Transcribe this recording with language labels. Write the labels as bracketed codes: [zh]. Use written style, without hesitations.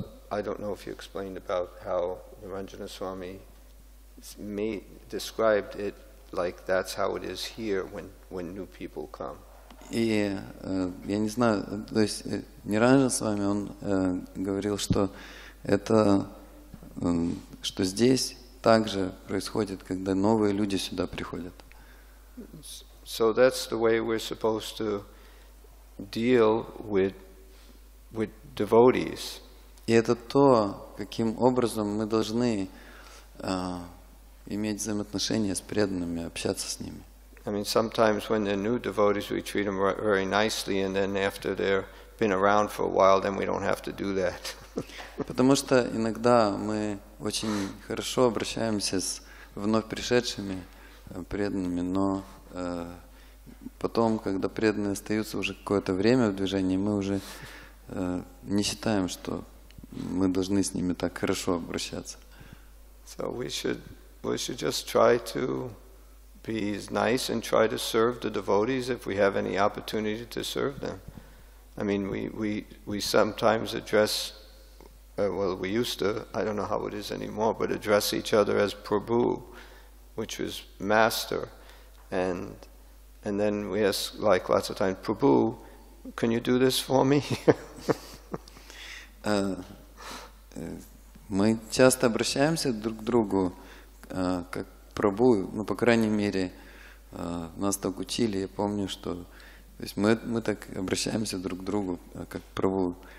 [en] I don't know if you explained about how Niranjana Swami described it like that's how it is here when new people come. [ru] И я не знаю, то есть Ниранджан Свами, он говорил, что это, что здесь также происходит, когда новые люди сюда приходят. [en] So that's the way we're supposed to deal with devotees. [ru] И это то, каким образом мы должны иметь взаимоотношения с преданными, общаться с ними. [en] I mean, sometimes when they're new devotees, we treat them very nicely, and then after they've been around for a while, then we don't have to do that. [ru] Потому что иногда мы очень хорошо обращаемся с вновь пришедшими преданными, но потом, когда преданные остаются уже какое-то время в движении, мы уже не считаем, что мы должны с ними так хорошо обращаться. [en] So we should just try to be nice and try to serve the devotees if we have any opportunity to serve them. I mean, we sometimes address, we used to, I don't know how it is anymore, but address each other as Prabhu, which was master, and then we ask, like lots of times, Prabhu, can you do this for me? [ru] Мы часто обращаемся друг к другу как Прабу, ну, по крайней мере, нас так учили, я помню, что то есть мы так обращаемся друг к другу как Прабу.